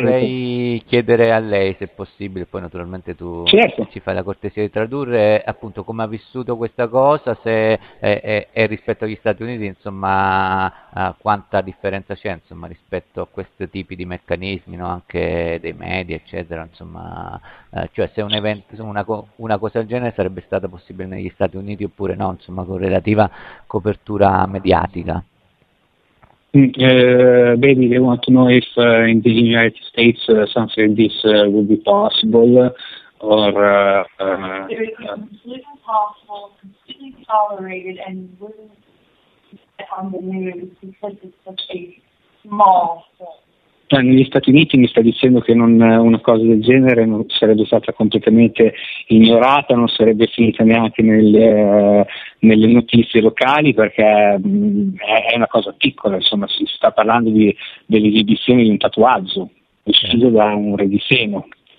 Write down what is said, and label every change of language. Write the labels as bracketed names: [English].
[Italian] Vorrei chiedere a lei se è possibile, poi naturalmente tu ci fai la cortesia di tradurre appunto come ha vissuto questa cosa, se è rispetto agli Stati Uniti, insomma quanta differenza c'è insomma rispetto a questi tipi di meccanismi, no? Anche dei media eccetera, insomma cioè se un evento, una cosa del genere sarebbe stata possibile negli Stati Uniti oppure no, insomma con relativa copertura mediatica. [English] Baby, they want to know if in the United States something like this would be possible or it would be completely possible, completely tolerated and wouldn't get on the news because it's such a small thing. [Italian] Negli Stati Uniti mi sta dicendo che non una cosa del genere non sarebbe stata completamente ignorata, non sarebbe finita neanche nelle notizie locali perché è una cosa piccola, insomma si sta parlando di dell'esibizione di un tatuaggio ucciso da un reggiseno.